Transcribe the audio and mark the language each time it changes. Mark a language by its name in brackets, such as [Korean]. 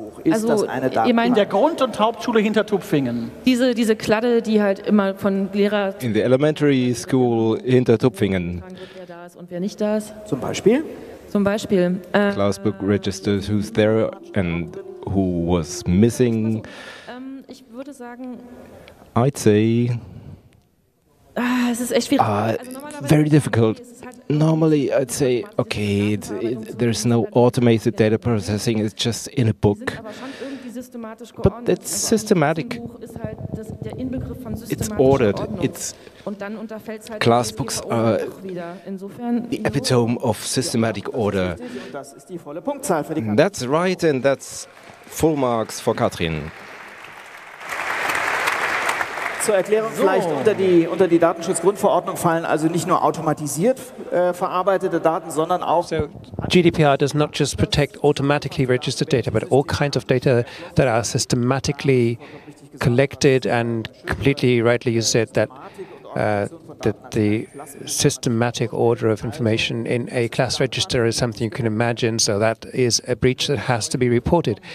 [German] Also, ich meine, der Grund- und Hauptschule hinter Tupfingen. Diese Kladde, die halt immer von Lehrer... [English] In the elementary school [German] hinter Tupfingen. Wer da ist und wer nicht da ist. Zum Beispiel? Zum Beispiel. [English] Classbook registers who's there and who was missing. [German] Ich würde sagen... [English] I'd say... [German] Es ist echt schwierig. [English] Very difficult. Normally, I'd say, okay, there's no automated data processing, it's just in a book. But it's systematic. It's ordered. It's class books are the epitome of systematic order. That's right, and that's full marks for Katrin. [German] zur Erklärung vielleicht unter die Datenschutz-Grundverordnung fallen also nicht nur automatisiert verarbeitete Daten, sondern auch [English] so GDPR does not just protect automatically registered data, but all kinds of data that are systematically collected and completely rightly you said that that the systematic order of information in a class register is something you can imagine, so that is a breach that has to be reported.